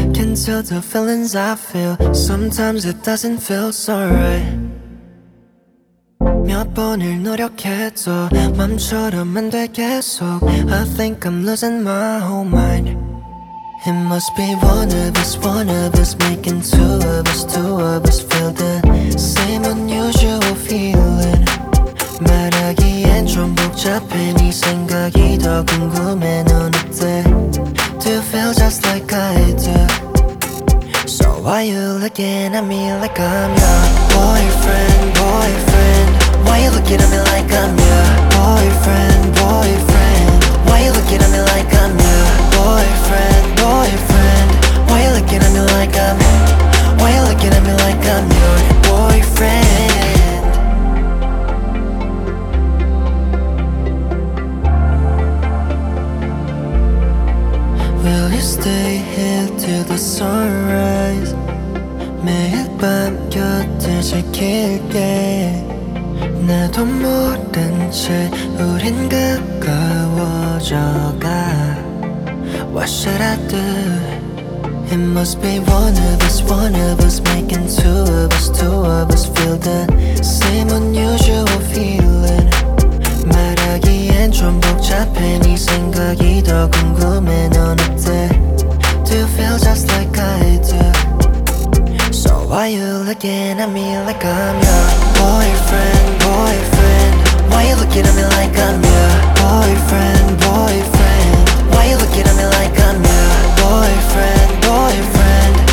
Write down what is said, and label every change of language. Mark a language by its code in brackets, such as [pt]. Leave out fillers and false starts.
[en] Can tell the feelings I feel. Sometimes it doesn't feel so right. [ko] 몇 번을 노력해도 맘처럼 안 돼 계속. [en] I think I'm losing my whole mind. It must be one of us making two of us feel the same unusual feeling. [ko] 말하기엔 좀 복잡해 네 생각이 더 궁금해 넌 어때? [en] Do you feel just like I do? So why are you looking at me like I'm your boyfriend, boyfriend? Why are you looking at me like I'm your boyfriend, boyfriend? Why are you looking at me like I'm your boyfriend, boyfriend? Why are you looking at me like I'm your boyfriend? Why are you looking at me like I'm your boyfriend? Will you stay here till the sunrise? [ko] 매일 밤 곁을 지킬게. 나도 모른 채 우린 가까워져가. [en] What should I do? It must be one of us making two of us feel the same unusual feeling. [ko] 말하기엔 좀 복잡해 네 생각이 더 궁금해 넌 어때? [en] Do you feel just like I do? So why are you looking at me like I'm your boyfriend, boyfriend? Why are you looking at me like I'm your boyfriend, boyfriend? Why are you looking at me like I'm your boyfriend, boyfriend?